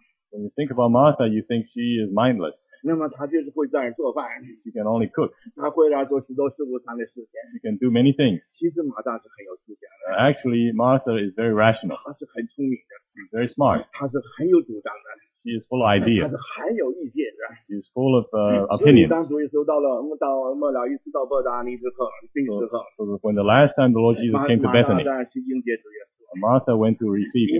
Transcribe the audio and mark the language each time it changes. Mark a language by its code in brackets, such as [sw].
[en] When you think about Martha, you think she is mindless. [zh] 那么他就是会在做饭, [en] she can only cook. [zh] 他会来做许多事务上的事情, [en] she can do many things. [zh] 其实马大是很有思想的, [en] actually, Martha is very rational. [zh] 他是很聪明的, [en] she's very smart. [zh] 他是很有主张的, [en] she is full of ideas. [zh] 他是很有意见的, [en] she is full of opinions. [zh] 所以当主耶稣到了末了一次到伯达尼之后, [en] so when the last time the Lord Jesus came to Bethany, Martha went to receive him.